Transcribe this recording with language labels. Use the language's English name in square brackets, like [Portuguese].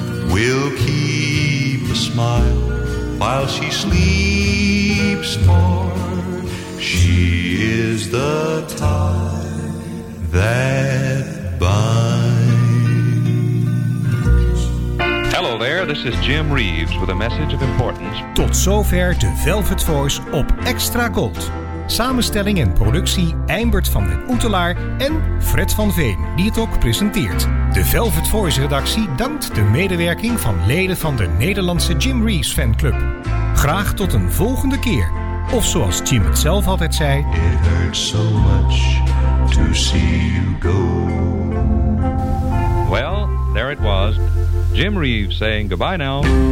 [English] We'll keep a smile while she sleeps, for she is the tie that binds. Hello there, this is Jim Reeves with a message of importance. [Dutch] Tot zover de Velvet Voice op Extra Gold. Samenstelling en productie Eimbert van den Oetelaar en Fred van Veen, die het ook presenteert. De Velvet Voice redactie dankt de medewerking van leden van de Nederlandse Jim Reeves fanclub. Graag tot een volgende keer. Of zoals Jim het zelf altijd zei... [English] It hurts so much to see you go. Well, there it was. Jim Reeves saying goodbye now.